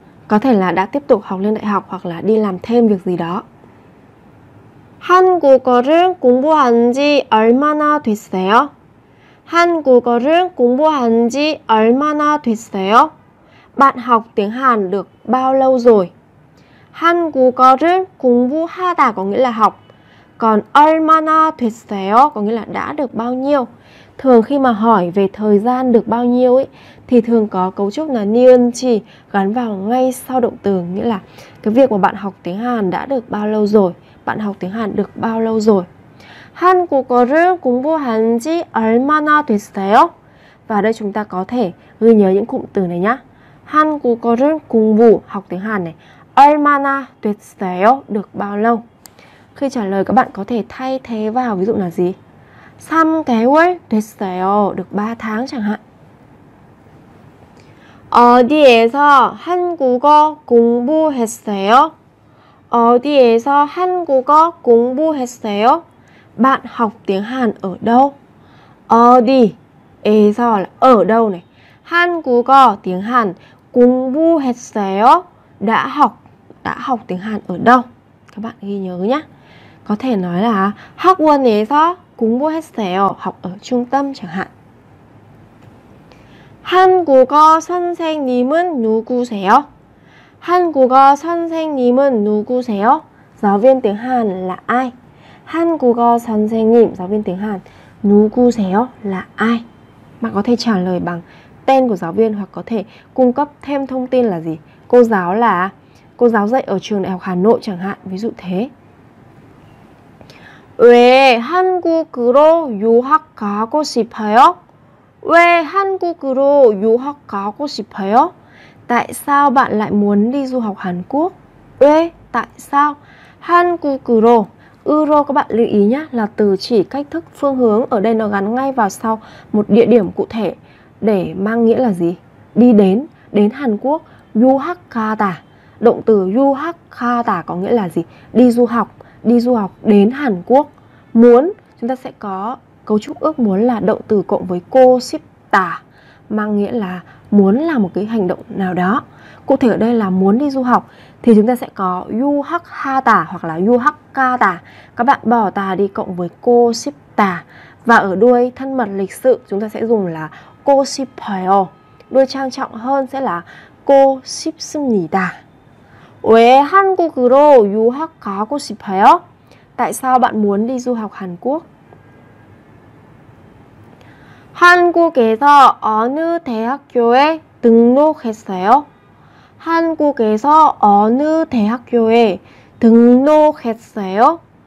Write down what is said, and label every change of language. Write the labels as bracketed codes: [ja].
[vi] Có thể là đã tiếp tục học lên đại học hoặc là đi làm thêm việc gì đó. [ko] 한국어를 공부한 지 얼마나 됐어요? 한국어를 공부한 지 얼마나 됐어요? [vi] Bạn học tiếng Hàn được bao lâu rồi? 한국어를 공부하다 có nghĩa là học. Còn 얼마나 됐어요 có nghĩa là đã được bao nhiêu. Thường khi mà hỏi về thời gian được bao nhiêu ấy, thì thường có cấu trúc là 니은지 gắn vào ngay sau động từ, nghĩa là cái việc mà bạn học tiếng Hàn đã được bao lâu rồi. Bạn học tiếng Hàn được bao lâu rồi? [ko] 한국어를 공부한 지 얼마나 됐어요? [vi] Và đây chúng ta có thể ghi nhớ những cụm từ này nhá. [ko] 한국어를 공부, [vi] học tiếng Hàn này, [ko] 얼마나 됐어요, [vi] được bao lâu? Khi trả lời các bạn có thể thay thế vào ví dụ là gì? [ko] 3개월 됐어요, [vi] được 3 tháng chẳng hạn. [ko] 어디에서 한국어 공부했어요? 어디에서 한국어 공부했어요? [vi] Bạn học tiếng Hàn ở đâu? 어디에서 là ở đâu này. 한국어 tiếng Hàn, [ko] 공부했어요 [vi] đã học tiếng Hàn ở đâu? Các bạn ghi nhớ nhé. Có thể nói là [ko] 학원에서 공부했어요, [vi] học ở trung tâm chẳng hạn. [ko] 한국어 선생님은 누구세요? 한국어 선생님은 누구세요? [vi] Giáo viên tiếng Hàn là ai? [ko] 한국어 선생님, [vi] giáo viên tiếng Hàn, 누구세요? Là ai? Bạn có thể trả lời bằng tên của giáo viên hoặc có thể cung cấp thêm thông tin là gì? Cô giáo là, cô giáo dạy ở trường Đại học Hà Nội chẳng hạn, ví dụ thế. [ko] 왜 한국으로 유학 가고 싶어요? 왜 한국으로 유학 가고 싶어요? [vi] Tại sao bạn lại muốn đi du học Hàn Quốc? [ko] 왜? [vi] Tại sao? [ko] 한국으로, [vi] 으로 các bạn lưu ý nhé, là từ chỉ cách thức phương hướng. Ở đây nó gắn ngay vào sau một địa điểm cụ thể để mang nghĩa là gì? Đi đến, đến Hàn Quốc. 유학하다, động từ 유학하다 có nghĩa là gì? Đi du học, đi du học đến Hàn Quốc. Muốn, chúng ta sẽ có cấu trúc ước muốn là động từ cộng với 고싶다, mang nghĩa là muốn làm một cái hành động nào đó. Cụ thể ở đây là muốn đi du học thì chúng ta sẽ có 유학하다 hoặc là 유학가다. Các bạn bỏ 다 đi cộng với 고싶다, và ở đuôi thân mật lịch sự chúng ta sẽ dùng là 고싶어요. Đuôi trang trọng hơn sẽ là 고싶습니다. [ko] 왜 한국으로 유학 가고 싶어요? [vi] Tại sao bạn muốn đi du học Hàn Quốc? [ko] 한국에서 어느 대학교에 등록했어요? 한국에서 어느 대학교에 등록했어요?